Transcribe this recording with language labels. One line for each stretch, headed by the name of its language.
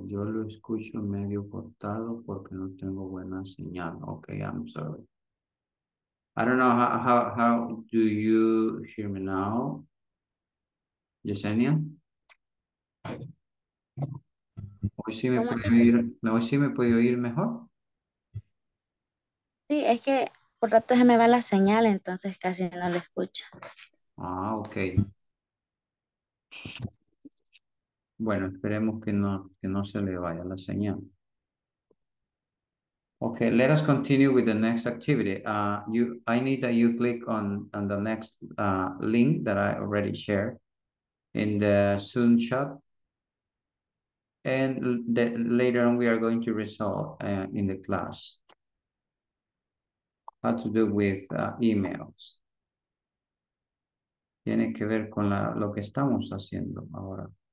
Spanish: Yo lo escucho medio cortado porque no tengo buena señal.
English: Okay, I'm sorry. I don't know, how do you hear me now, Yesenia?
Spanish: ¿Hoy sí me puede oír mejor? Sí, es que por rato se me va la señal, entonces casi no la escucho. Ah, ok. Bueno, esperemos que no se le vaya la señal.
English: Okay, let us continue with the next activity. I need that you click on the next link that I already shared in the Zoom chat. And later on, we are going to resolve in the class how to do with emails.
Spanish: Tiene que ver con lo que estamos haciendo ahora.